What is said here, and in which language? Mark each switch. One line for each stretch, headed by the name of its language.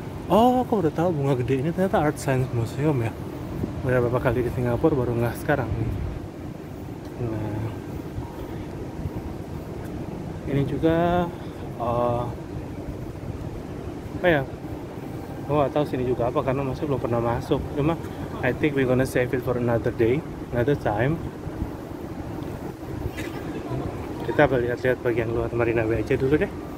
Indonesian: Oh, aku udah tahu bunga gede ini ternyata Art Science Museum ya. Udah berapa kali di Singapura baru nggak sekarang nih. Nah, ini juga apa ya? Aku nggak tahu sini juga apa karena masih belum pernah masuk.
English: Cuma I think we're gonna save it for another day, another time.
Indonesian: Kita lihat-lihat bagian luar Marina Bay aja dulu deh.